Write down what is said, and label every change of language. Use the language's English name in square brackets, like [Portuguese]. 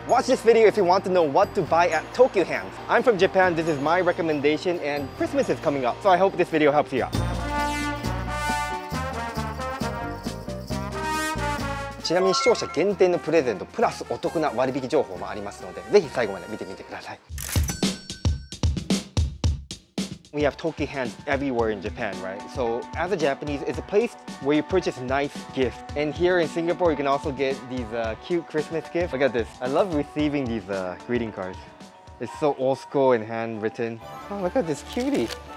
[English] Watch this video if you want to know what to buy at Tokyu Hands. I'm from Japan, this is my recommendation, and Christmas is coming up, so I hope this video helps you out. [Japanese] ちなみに視聴者限定のプレゼントプラスお得な割引情報もありますので、ぜひ最後まで見てみてください。 [English] We have Tokyu Hands everywhere in Japan, right? So as a Japanese, it's a place where you purchase nice gifts. And here in Singapore, you can also get these cute Christmas gifts. Look at this. I love receiving these greeting cards. It's so old school and handwritten. Oh, look at this cutie.